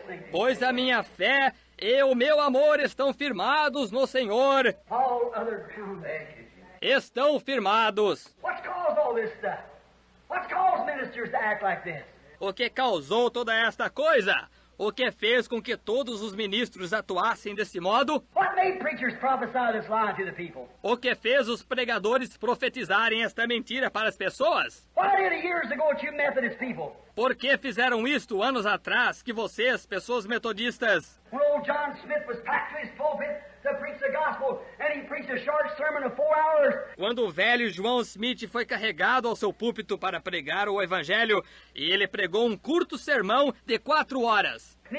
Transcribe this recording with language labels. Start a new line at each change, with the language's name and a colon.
Portuguese: Pois a minha fé e o meu amor estão firmados no Senhor.
English: All other grounds.
Portuguese: Estão firmados.
English: What caused all this stuff? What caused ministers to act like this?
Portuguese: O que causou toda esta coisa? O que fez com que todos os ministros atuassem desse modo?
English: What made preachers prophesy this lie to the people?
Portuguese: O que fez os pregadores profetizarem esta mentira para as pessoas?
English: Why did years ago you Methodist people?
Portuguese: Por que fizeram isto anos atrás que vocês, pessoas metodistas?
English: When old John Smith was packed to his pulpit to preach the gospel, and he preached a short sermon of 4 hours.
Portuguese: Quando o velho John Smith foi carregado ao seu púlpito para pregar o evangelho, e ele pregou um curto sermão de 4 horas.